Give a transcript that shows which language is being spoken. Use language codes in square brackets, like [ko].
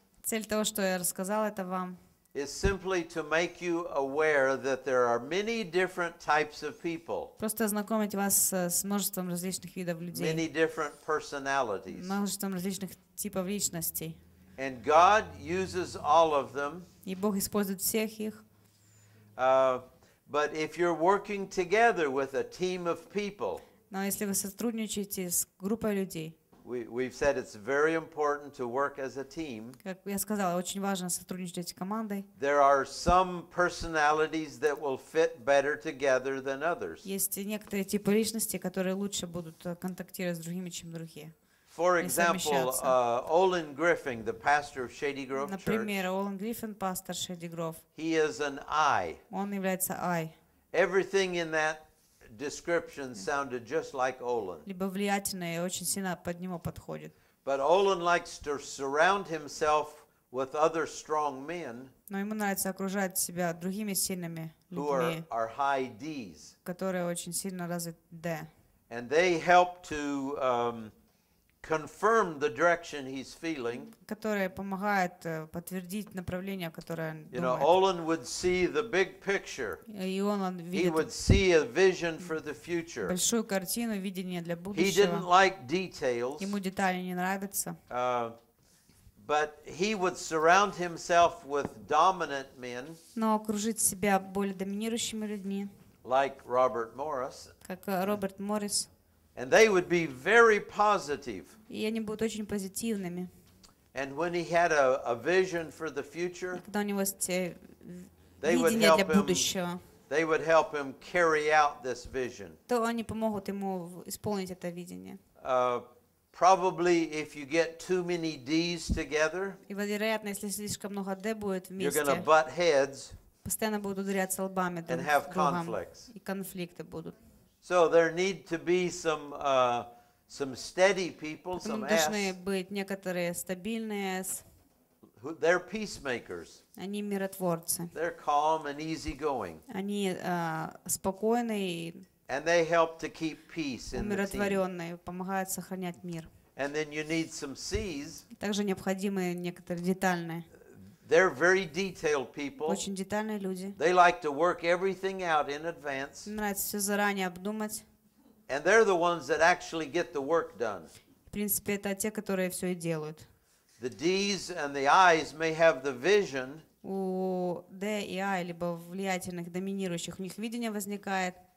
[ru] Цель того, что я рассказал это вам. [en] is simply to make you aware that there are many different types of people. [ru] Просто ознакомить вас с множеством различных видов людей. [en] Many different personalities. [ru] Множеством различных типов личностей. [en] And God uses all of them. [ru] И Бог использует всех их. [en] But if you're working together with a team of people, [ru] но если вы сотрудничаете с группой людей, [en] we've said it's very important to work as a team. [ru] Как я сказала, очень важно сотрудничать с командой. [en] There are some personalities that will fit better together than others. [ru] Есть некоторые типы личности, которые лучше будут контактировать с другими, чем другие. [en] For example, Olin Griffin, the pastor of Shady Grove Church. [ru] Например, Олен Гриффин, пастор Shady Grove. [en] He is an I. [ru] Он является I. [en] Everything in that description sounded just like Olin. [ru] Либо влиятельное, очень сильно под него подходит. [en] But Olin likes to surround himself with other strong men. [ru] Но ему нравится окружать себя другими сильными людьми. [en] Who are high D's. [ru] Которые очень сильно развит D. [en] And they help to confirm the direction he's feeling. [ru] Которые помогают подтвердить направление, которое он думает. [en] You know, Olin would see the big picture. [ru] И он видит. [en] He would see a vision for the future. [ru] Большую картину, видение для будущего. [en] He didn't like details. [ru] Ему детали не нравятся. [en] But he would surround himself with dominant men. [ru] Но окружить себя более доминирующими людьми. [en] Like Robert Morris. [ru] Как Роберт Моррис. [en] And they would be very positive. [ru] И они будут очень позитивными. [en] And when he had a vision for the future, [ru] когда у него есть видение для будущего, [en] they would help him carry out this vision. [ru] То они помогут ему исполнить это видение. [en] Probably if you get too many D's together, [ru] и вероятно, если слишком много D будет вместе, [en] you're going to butt heads, [ru] постоянно будут ударяться лбами друг с другом, и конфликты будут. [en] So there need to be some steady people, some S. [ru] Должны быть некоторые стабильные S. [en] They're peacemakers. [ru] Они миротворцы. [en] They're calm and easygoing. [ru] Они спокойные. [en] And they help to keep peace in the team. [ru] Умиротворенные, помогают сохранять мир. [en] And then you need some C's. [ru] Также необходимы некоторые детальные. [en] They're very detailed people. [ru] Очень детальные люди. [en] They like to work everything out in advance. [ru] Нравится все заранее обдумать. [en] And they're the ones that actually get the work done. [ru] В принципе, это те, которые все и делают. [en] The D's and the I's may have the vision. [ru] У D и I, либо влиятельных, доминирующих, у них видение возникает.